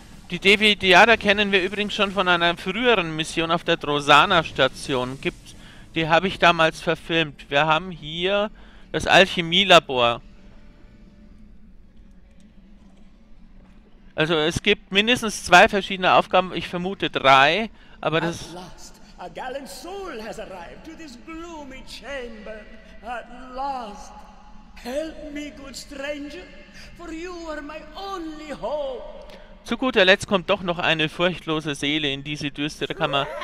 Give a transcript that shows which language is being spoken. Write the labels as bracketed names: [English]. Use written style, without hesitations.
[German] Die Devidianer kennen wir übrigens schon von einer früheren Mission auf der Drosana-Station. Die habe ich damals verfilmt. Wir haben hier das Alchemielabor. Also es gibt mindestens zwei verschiedene Aufgaben, ich vermute drei, aber das... [English] At last, a gallant soul has arrived to this gloomy chamber. At last. Help me, good stranger, for you are my only hope. [German] Zu guter Letzt kommt doch noch eine furchtlose Seele in diese düstere Kammer.